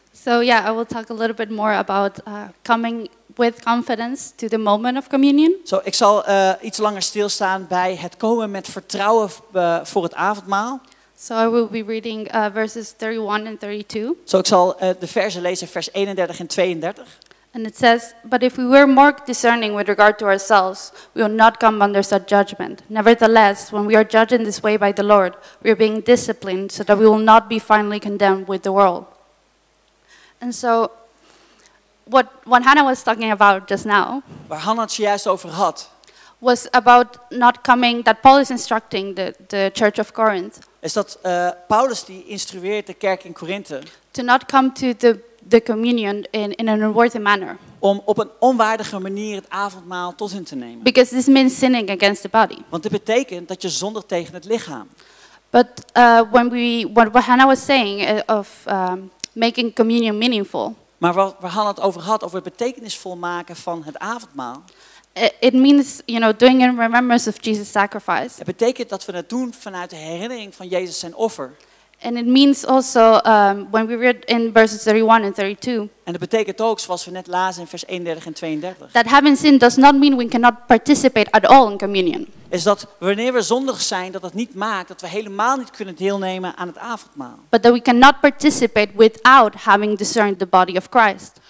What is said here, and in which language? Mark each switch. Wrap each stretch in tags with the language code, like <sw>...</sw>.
<en>So yeah, I will talk a little bit more about coming with confidence to the moment of communion.</en> <nl>Zo, ik zal iets langer stilstaan bij het komen met vertrouwen voor het avondmaal.</nl> <en>So I will be reading verses 31 and 32.</en> <nl>Zo, ik zal de verzen lezen, vers 31 en 32.</nl> <en>And it says, but if we were more discerning with regard to ourselves, we will not come under such judgment. Nevertheless, when we are judged in this way by the Lord, we are being disciplined so that we will not be finally condemned with the world. And so, what Hannah was talking about just now.</en> <nl>Waar Hannah het juist over had.</nl> <en>Was about not coming, that Paul is instructing the church of Corinth.</en> <nl>Is dat Paulus die instrueert de kerk in Korinthe.</nl> <en>To not come to the communion in an unworthy manner.</en> <nl>Om op een onwaardige manier het avondmaal tot in te nemen.</nl> <en>Because this means sinning against the body.</en> <nl>Want dit betekent dat je zondigt tegen het lichaam.</nl> <en>But what Hannah was saying of making communion meaningful.</en> <nl>Maar waar Hannah het over had, over het betekenisvol maken van het avondmaal.</nl> <en>It means, you know, doing in remembrance of Jesus' sacrifice.</en> <nl>Het betekent dat we het doen vanuit de herinnering van Jezus zijn offer.</nl> <en>And it means also when we read in verses 31 and 32.</en> <nl>En dat betekent ook, zoals we net lazen in vers 31 en 32.</nl> <en>That having sinned does not mean we cannot participate at all in communion.</en> <nl>Is dat wanneer we zondig zijn, dat niet maakt dat we helemaal niet kunnen deelnemen aan het avondmaal.</nl> <en>But that we cannot participate without having discerned the body of Christ.</en>